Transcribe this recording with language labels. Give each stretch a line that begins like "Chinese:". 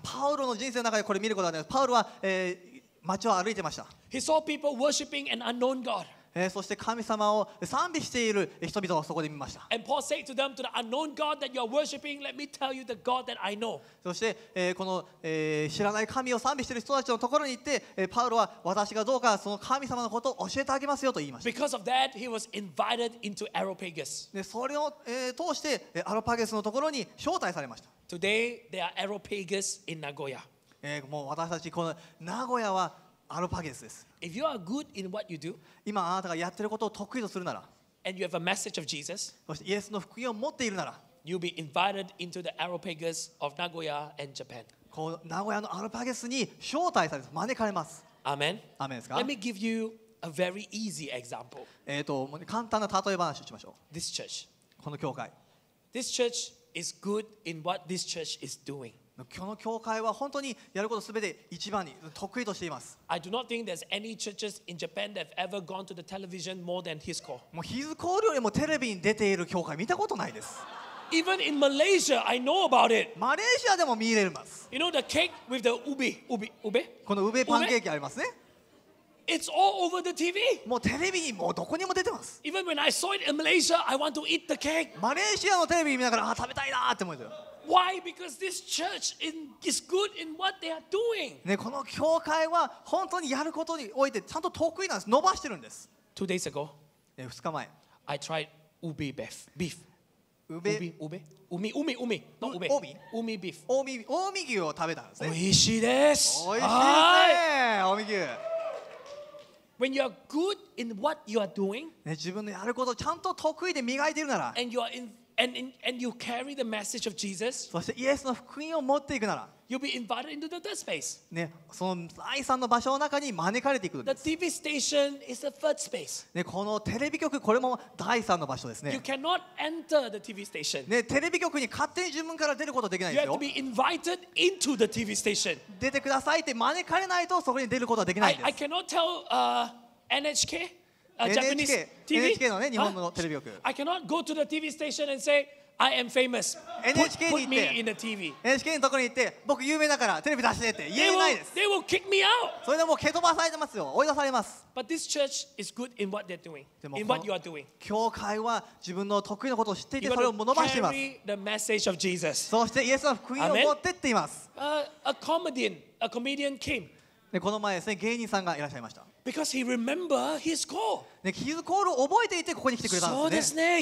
Japanese: パウロの人生の中でこれ見ることができます。パウロは、街を歩いてました。
English: He saw people worshiping an unknown God.
Japanese: そして神様を賛美している人々をそこで見ました。
English: And Paul said to them, to the unknown God that you are worshiping, let me tell you the God that I know.
Japanese: そして、この、知らない神を賛美している人たちのところに行って、パウロは私がどうかその神様のことを教えてあげますよと言いました。
English: Because of that, he was invited into Areopagus.
Japanese: それを、通してアロパゲスのところに招待されました。
English: Today, there are Areopagus in Nagoya.
Japanese: もう私たちこの名古屋はアロパゲスです。
English: If you are good in what you do,
Japanese: 今あなたがやってることを得意とするなら、
English: and you have a message of Jesus,
Japanese: そしてイエスの福音を持っているなら、
English: you'll be invited into the Areopagus of Nagoya and Japan.
Japanese: こう名古屋のアロパゲスに招待されます、招かれます。
English: Amen.
Japanese: Amen ですか
English: ？Let me give you a very easy example.
Japanese: 簡単な例え話をしましょう。
English: This church.
Japanese: この教会。
English: This church is good in what this church is doing.
Japanese: この教会は本当にやることすべて一番に得意としています。
English: I do not think there's any churches in Japan that have ever gone to the television more than His Call.
Japanese: もうヒズコールよりもテレビに出ている教会見たことないです。
English: Even in Malaysia, I know about it.
Japanese: マレーシアでも見れます。
English: You know the cake with the ubi, ubi, ube?
Japanese: このウベパンケーキありますね。
English: It's all over the TV.
Japanese: もうテレビにもうどこにも出てます。
English: Even when I saw it in Malaysia, I want to eat the cake.
Japanese: マレーシアのテレビ見ながらあ食べたいなって思ってる。
English: Why? Because this church is good in what they are doing.
Japanese: ね、この教会は本当にやることにおいてちゃんと得意なんです。伸ばしてるんです。
English: Two days ago,
Japanese: 2日前
English: I tried ubi beef. Beef. Ube. Ubi. Ube. Umi. Umi. Umi. No ube. Umi. Umi beef.
Japanese: Umi. Umi 牛を食べたんですね。美味しいです。美味しいですね。Umi 牛。
English: When you are good in what you are doing,
Japanese: ね、自分のやることをちゃんと得意で磨いてるなら、
English: and you are in. And you carry the message of Jesus.
Japanese: そしてイエスの福音を持っていくなら、
English: you'll be invited into the third space.
Japanese: ね、その第三の場所の中に招かれていくんです。
English: The TV station is the third space.
Japanese: ね、このテレビ局これも第三の場所ですね。
English: You cannot enter the TV station.
Japanese: ね、テレビ局に勝手に自分から出ることはできないですよ。
English: You have to be invited into the TV station.
Japanese: 出てくださいって招かれないとそこに出ることはできないんです。
English: I cannot tell NHK. NHK
Japanese: のね、日本のテレビ局。
English: I cannot go to the TV station and say I am famous.
Japanese: NHK に行って、
English: put me in the TV.
Japanese: NHK のところに行って、僕有名だからテレビ出してって言えないです。
English: They will kick me out.
Japanese: それでもう蹴飛ばされてますよ、追い出されます。
English: But this church is good in what they're doing. In what you are doing.
Japanese: 教会は自分の得意なことを知っていて、それを伸ばしています。
English: Carry the message of Jesus.
Japanese: そしてイエスの福音を持ってっています。
English: A comedian came.
Japanese: でこの前ですね、芸人さんがいらっしゃいました。
English: Because he remember his call.
Japanese: ね、キーズコールを覚えていてここに来てくれたんですね。